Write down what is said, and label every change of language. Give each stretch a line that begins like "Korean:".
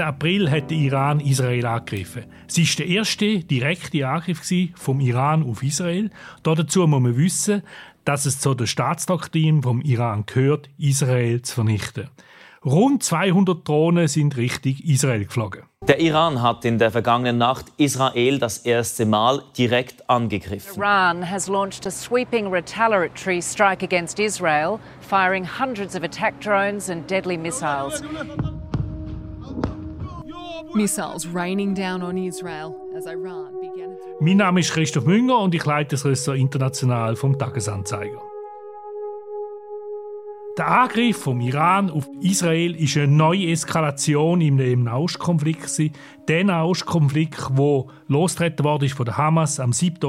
German: April hat der Iran Israel angegriffen. Es war der erste direkte Angriff vom Iran auf Israel. Dazu muss man wissen, dass es zu der Staatsdoktrin vom Iran gehört, Israel zu vernichten. Rund 200 Drohnen sind Richtung Israel geflogen. Der Iran hat in der vergangenen Nacht Israel das erste Mal direkt angegriffen.
English: Iran has launched a sweeping retaliatory strike against Israel, firing hundreds of attack drones and deadly missiles. Missiles raining down on Israel as Iran began.
German: Mein Name ist Christoph Münger und ich leite das Ressort International vom Tagesanzeiger. Der Angriff vom Iran auf Israel ist eine neue Eskalation im Nahostkonflikt. Der Nahostkonflikt, der losgetreten worden ist von der Hamas am 7.